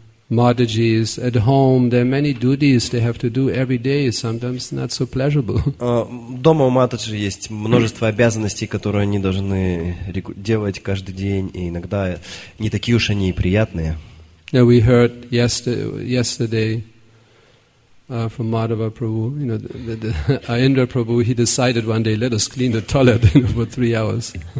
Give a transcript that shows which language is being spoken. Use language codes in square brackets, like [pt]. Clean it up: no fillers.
[en] Madhijis at home, there are many duties they have to do every day, sometimes not so pleasurable. [ru] Дома у матаджи есть множество обязанностей, которые они должны делать каждый день, и иногда не такие уж они и приятные. [en] Now we heard yesterday from Madhava Prabhu, you know, the Indra Prabhu, he decided one day, let us clean the toilet for 3 hours.